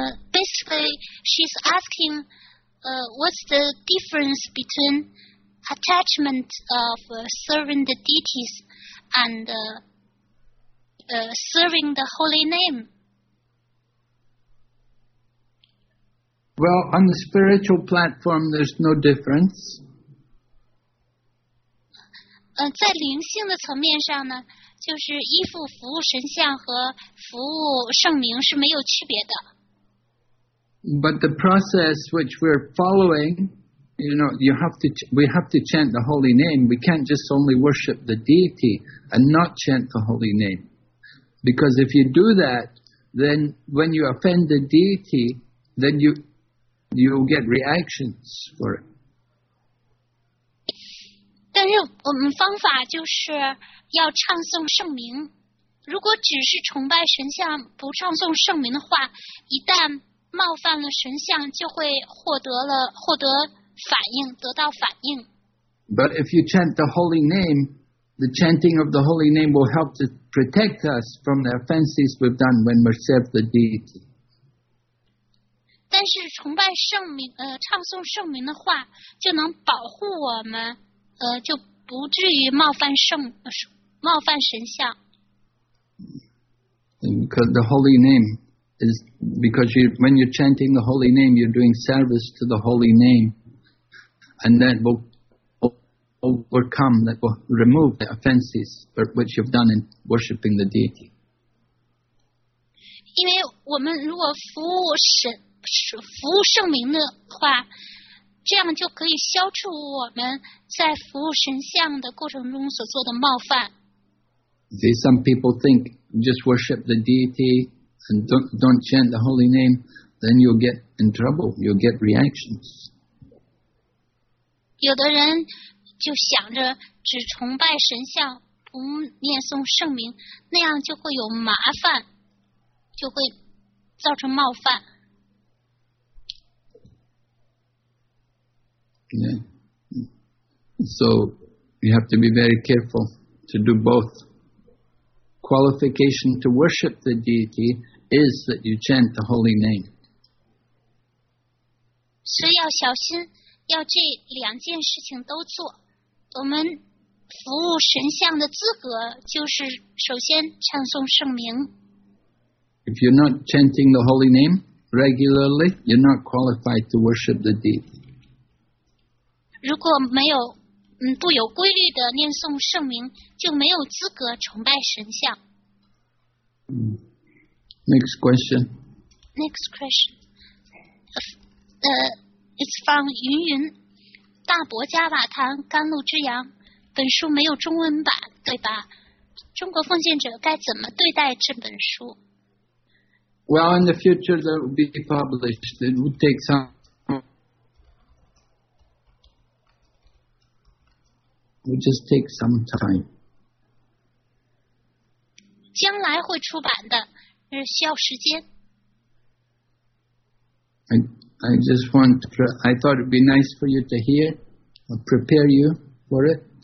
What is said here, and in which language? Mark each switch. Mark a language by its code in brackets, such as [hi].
[en] Basically, she's asking, what's the difference between attachment of serving the deities and serving the holy name? Well, on the spiritual platform, there's no difference. [zh] 在灵性的层面上呢，就是依附服务神像和服务圣灵是没有区别的。 [en] But the process which we're following, you know, we have to chant the holy name. We can't just only worship the deity and not chant the holy name. Because if you do that, then when you offend the deity, then you'll get reactions for it. [zh] 但是我们方法就是要唱诵圣名。如果只是崇拜神像不唱诵圣名的话，一旦冒犯了神像，就会获得反应，得到反应。 [en] But if you chant the holy name, the chanting of the holy name will help to protect us from the offenses we've done when we serve the deity. [zh] 但是崇拜圣名，唱诵圣名的话，就能保护我们，就不至于冒犯神像。 [en] Because the holy name is because you when you're chanting the holy name, you're doing service to the holy name, and that will overcome, that will remove the offenses which you've done in worshiping the deity. [zh] 因为我们如果服务神。服务圣名的话，这样就可以消除我们在服务神像的过程中所做的冒犯。 [en] See, some people think just worship the deity and don't chant the holy name, then you'll get in trouble, you'll get reactions. [zh] 有的人就想着只崇拜神像，不念诵圣名，那样就会有麻烦，就会造成冒犯。 [en] Yeah. So you have to be very careful to do both. Qualification to worship the deity is that you chant the holy name. [zh] 所以要小心，要这两件事情都做。我们服务神像的资格就是首先唱诵圣名。 [en] If you're not chanting the holy name regularly, you're not qualified to worship the deity. [zh] 如果没有不有规律的念诵圣名，就没有资格崇拜神像。 [en] Next question. Next question. It's from [zh] 云云，大伯加瓦坛甘露之阳。本书没有中文版，对吧？中国奉献者该怎么对待这本书？ [en] Well, in the future, that will be published. It would take some. It just takes some time. [zh] 将来会出版的，需要时间。 [en] I thought it'd be nice for you to hear, or prepare you for it.